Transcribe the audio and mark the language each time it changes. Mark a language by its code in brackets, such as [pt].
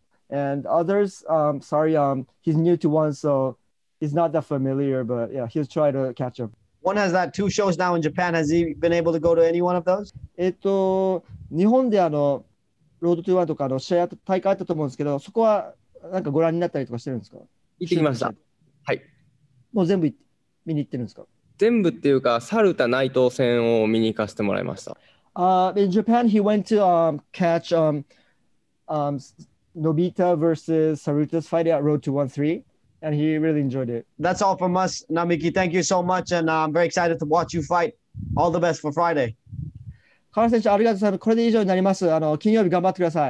[en] And others, he's new to one, so he's not that familiar. But yeah, he'll try to catch him. One has that two shows now in Japan. Has he been able to go to any one of those? [ja] 日本であのロードトゥーワンとかの試合大会あったと思うんですけど、そこはなんかご覧になったりとかしてるんですか？行ってきました。はい。もう全部見に行ってるんですか？全部っていうか、サルタ内藤戦を見に行かせてもらいました。 [en] In Japan, he went to catch Nobita versus Saruta's fight at Road to 1-3, and he really enjoyed it. That's all from us, Namiki. Thank you so much, and I'm very excited to watch you fight. All the best for Friday. [ja] 川選手、ありがとうございます。これで以上になります。金曜日頑張ってください。